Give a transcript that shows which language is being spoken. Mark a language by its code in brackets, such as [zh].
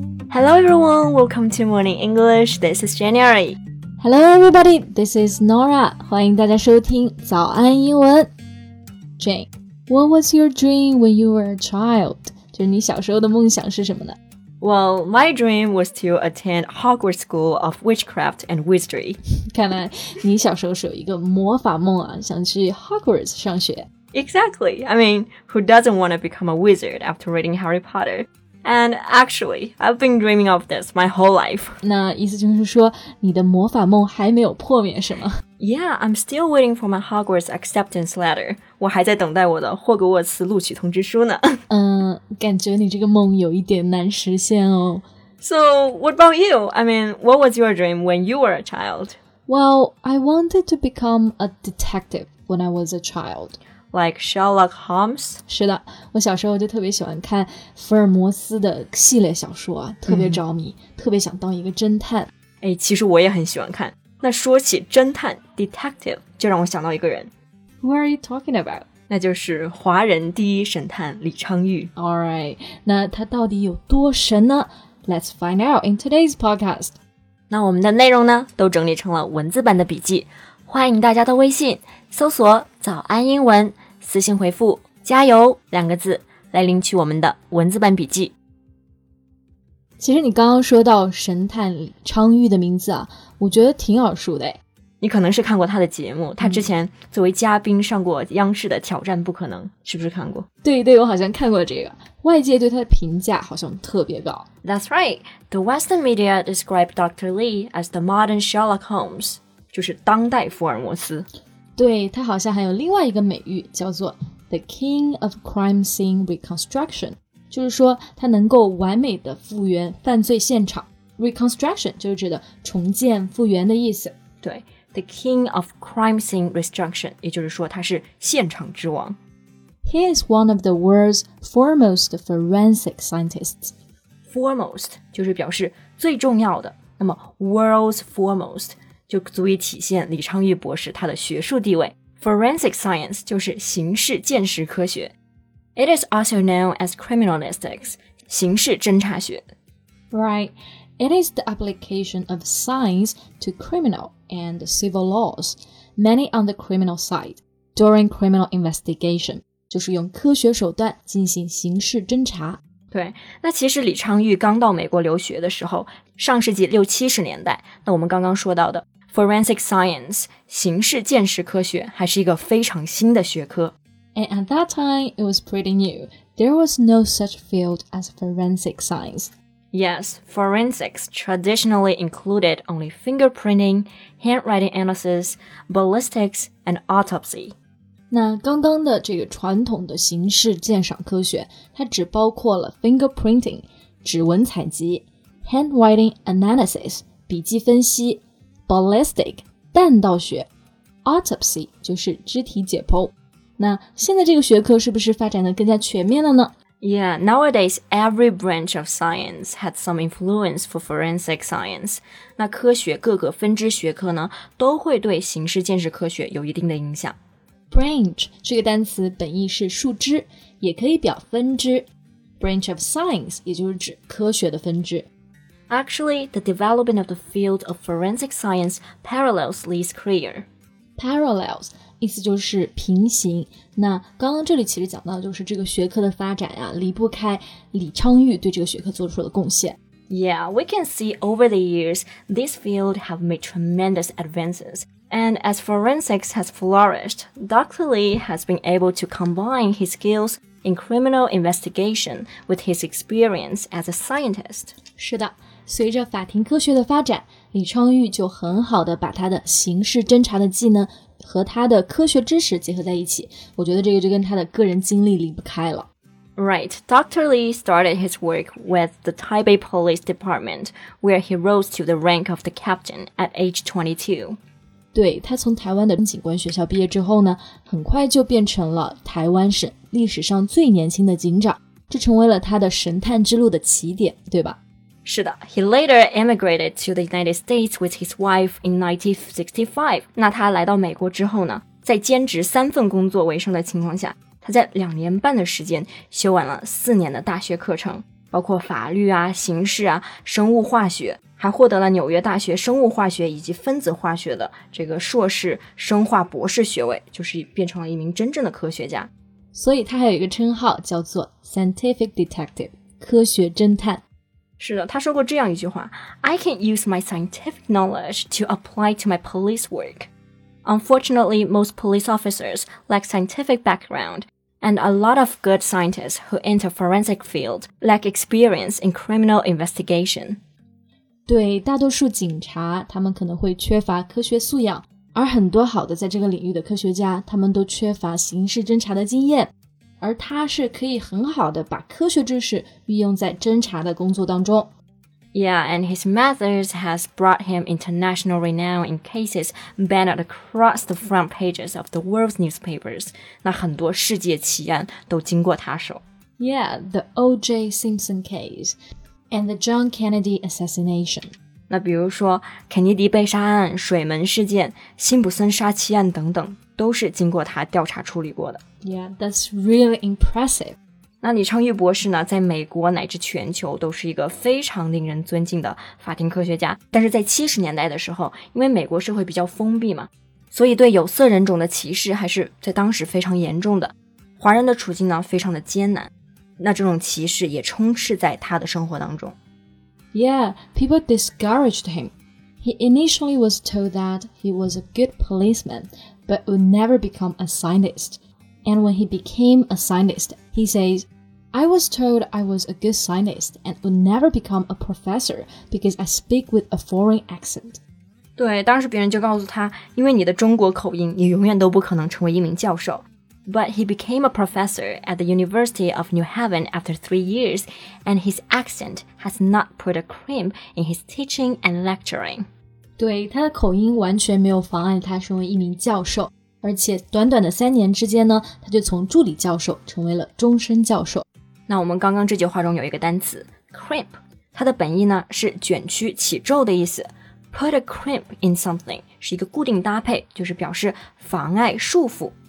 [en] Hello everyone, welcome to Morning English, this is January. Hello everybody, this is Nora, [zh] 欢迎大家收听早安英文。 [en] Jane, what was your dream when you were a child? [zh] 就是你小时候的梦想是什么呢？ [en] Well, my dream was to attend Hogwarts School of Witchcraft and Wizardry. [zh] 看来你小时候是有一个魔法梦啊，想去 Hogwarts 上学。 [en] Exactly. I mean, who doesn't want to become a wizard after reading Harry Potter? And actually, I've been dreaming of this my whole life. [zh] 那意思就是说你的魔法梦还没有破灭是吗？ [en] Yeah, I'm still waiting for my Hogwarts acceptance letter. [zh] 我还在等待我的霍格沃茨录取通知书呢。感觉你这个梦有一点难实现哦。 [en] So, what about you? I mean, what was your dream when you were a child? Well, I wanted to become a detective when I was a child. Like Sherlock Holmes? [zh] 是的，我小时候就特别喜欢看福尔摩斯的系列小说啊，特别着迷，特别想当一个侦探。哎，其实我也很喜欢看。那说起侦探 ,detective, 就让我想到一个人。 [en] Who are you talking about? [zh] 那就是华人第一神探李昌钰。 Alright, 那他到底有多神呢？ [en] Let's find out in today's podcast. [zh] 那我们的内容呢，都整理成了文字版的笔记，欢迎大家到微信搜索早安英文，私信回复加油两个字，来领取我们的文字版笔记。其实你刚刚说到神探李昌钰的名字啊，我觉得挺耳熟的诶。你可能是看过他的节目，他之前作为嘉宾上过央视的挑战不可能，是不是看过？对对，我好像看过这个，外界对他的评价好像特别高。 [en] That's right, the Western media described Dr. Lee as the modern Sherlock Holmes, [zh] 就是当代福尔摩斯。对，他好像还有另外一个美誉，叫做 [en] the King of Crime Scene Reconstruction, [zh] 就是说他能够完美的复原犯罪现场。 Reconstruction 就是指的重建复原的意思。 [en] 对，The King of Crime Scene Reconstruction, [zh] 也就是说他是现场之王。 [en] He is one of the world's foremost forensic scientists. [zh] Foremost, 就是表示最重要的。那么 world's foremost, 就足以体现李昌钰博士他的学术地位。 Forensic science, 就是刑事鉴识科学。 [en] It is also known as criminalistics, [zh] 刑事侦查学。 [en] Right. It is the application of science to criminal and civil laws, many on the criminal side, during criminal investigation. [zh] 就是用科学手段进行刑事侦查。对，那其实李昌钰刚到美国留学的时候，上世纪六七十年代，那我们刚刚说到的 forensic science, 刑事鉴识科学还是一个非常新的学科。 [en] And at that time, it was pretty new. There was no such field as forensic science. Yes, forensics traditionally included only fingerprinting, handwriting analysis, ballistics, and autopsy. [zh] 那刚刚的这个传统的刑事鉴赏科学，它只包括了 fingerprinting, 指纹采集, handwriting analysis, 笔迹分析, ballistic, 弹道学, autopsy, 就是肢体解剖。那现在这个学科是不是发展得更加全面了呢？ [en] Yeah, nowadays, every branch of science had some influence for forensic science. [zh] 那科学各个分支学科呢，都会对刑事鉴识科学有一定的影响。 Branch 这个单词本意是树枝，也可以表分支。 Branch of science 也就是指科学的分支。 [en] Actually, the development of the field of forensic science parallels Lee's career. [zh] Parallels. 意思就是平行。那刚刚这里其实讲到就是这个学科的发展啊，离不开李昌钰对这个学科做出的贡献。 [en] Yeah, we can see over the years, this field have made tremendous advances. And as forensics has flourished, Dr. Lee has been able to combine his skills in criminal investigation with his experience as a scientist. [zh] 是的，随着法庭科学的发展，李昌钰就很好地把他的刑事侦查的技能和他的科学知识结合在一起，我觉得这个就跟他的个人经历离不开了。 [en] Right, Dr. Lee started his work with the Taipei Police Department, where he rose to the rank of the captain at age 22. [zh] 对，他从台湾的警官学校毕业之后呢，很快就变成了台湾省历史上最年轻的警长，这成为了他的神探之路的起点，对吧？是的 [en] ,He later emigrated to the United States with his wife in 1965. [zh] 那他来到美国之后呢，在兼职三份工作为生的情况下，他在两年半的时间修完了四年的大学课程。包括法律啊、刑事啊、生物化学，还获得了纽约大学生物化学以及分子化学的这个硕士生化博士学位，就是变成了一名真正的科学家。所以他还有一个称号叫做 Scientific Detective， 科学侦探。是的，他说过这样一句话， [en] I can use my scientific knowledge to apply to my police work. Unfortunately, most police officers lack scientific background, and a lot of good scientists who enter forensic field lack experience in criminal investigation. [zh] 对，大多数警察他们可能会缺乏科学素养，而很多好的在这个领域的科学家他们都缺乏刑事侦查的经验，而他是可以很好的把科学知识运用在侦查的工作当中。 [en] Yeah, and his methods has brought him international renown in cases banned across the front pages of the world's newspapers. [zh] 那很多世界奇案都经过他手。 [en] Yeah, the O.J. Simpson case and the John Kennedy assassination. [zh] 那比如说肯尼迪被杀案、水门事件、辛普森杀妻案等等，都是经过他调查处理过的。 [en] Yeah, that's really impressive. [zh] 那李昌钰博士呢，在美国乃至全球都是一个非常令人尊敬的法庭科学家。但是在70年代的时候，因为美国社会比较封闭嘛，所以对有色人种的歧视还是在当时非常严重的。华人的处境呢，非常的艰难。那这种歧视也充斥在他的生活当中。 [en] Yeah, people discouraged him. He initially was told that he was a good policeman, but would never become a scientist. And when he became a scientist, he says, I was told I was a good scientist and would never become a professor because I speak with a foreign accent. [zh] 对，当时别人就告诉他，因为你的中国口音，你永远都不可能成为一名教授。 [en] But he became a professor at the University of New Haven after 3 years, and his accent has not put a crimp in his teaching and lecturing. [zh] 对，他的口音完全没有妨碍他成为一名教授。而且短短的3年之间呢，他就从助理教授成为了终身教授。那我们刚刚这句话中有一个单词 crimp， 它的本意呢是卷曲、起皱的意思。 Put a crimp in something 是一个固定搭配，就是表示妨碍、束缚。